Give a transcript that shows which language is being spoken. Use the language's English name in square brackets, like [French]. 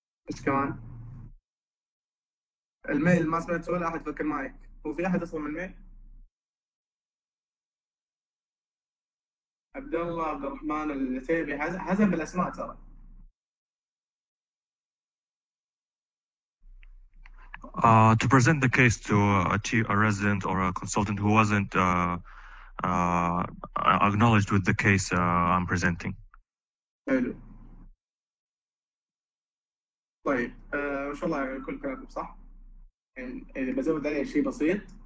[Arabic] إيش كمان؟ الميل ما سمعت ولا احد فك المايك، هو في احد اصلا من الميل؟ عبد الله، عبد الرحمن، العتيبي، حزم بالاسماء ترى. [English] To present the case to a resident or a consultant who wasn't acknowledged with the case I'm presenting. [Arabic] حلو. طيب ما شاء الله على كل كلامك صح، يعني بزود عليه شيء بسيط.